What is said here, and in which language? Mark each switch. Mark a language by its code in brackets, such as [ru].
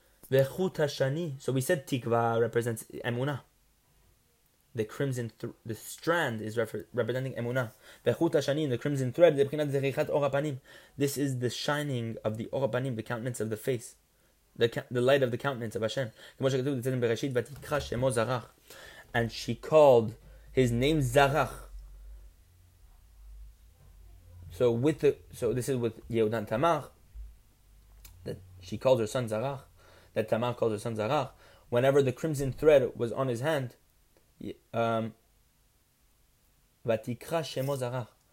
[he] Vechut hashani. [en] So we said tikva represents emunah. The crimson, the strand is representing emunah. [he] Vechut hashani, [en] the crimson thread, [he] lebkinat zerichat or apanim. [en] This is the shining of the or apanim, the countenance of the face. The light of the countenance of Hashem. [he] כמו שכתוב, [en] it says in Bereshit, [he] ותקרא שמו זרח. [en] And she called his name Zarach. So this is with Yehudan Tamar, that she calls her son Zarach, that Tamar calls her son Zarach. Whenever the crimson thread was on his hand, [he] ותקרא שמו זרח.